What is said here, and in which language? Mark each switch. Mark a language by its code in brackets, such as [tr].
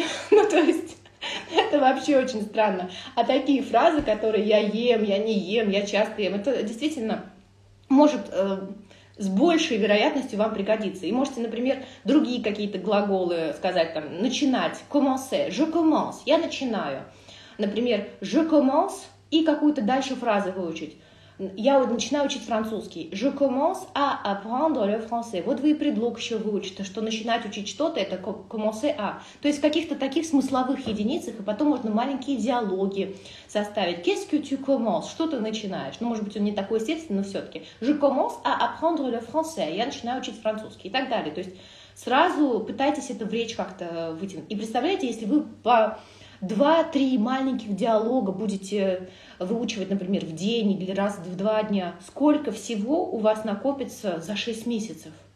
[ru] Ну, то есть, это вообще очень странно. А такие фразы, которые «я ем», «я не ем», «я часто ем», это действительно может с большей вероятностью вам пригодиться. И можете, например, другие какие-то глаголы сказать, там, начинать, «commencer», [fr] «je commence», [ru] «я начинаю». Например, [fr] «je commence» [ru] и какую-то дальше фразу выучить. Я вот начинаю учить французский. [fr] Je commence à apprendre le français. [ru] Вот вы и предлог еще выучите, что начинать учить что-то, это commencer à. То есть в каких-то таких смысловых единицах, и потом можно маленькие диалоги составить. [fr] Qu'est-ce que tu commences? [ru] Что ты начинаешь? Ну, может быть, он не такой естественный, но все-таки. [fr] Je commence à apprendre le français. [ru] Я начинаю учить французский. И так далее. То есть сразу пытайтесь это в речь как-то вытянуть. И представляете, если вы по 2-3 маленьких диалога будете выучивать, например, в день или раз в 2 дня, сколько всего у вас накопится за 6 месяцев?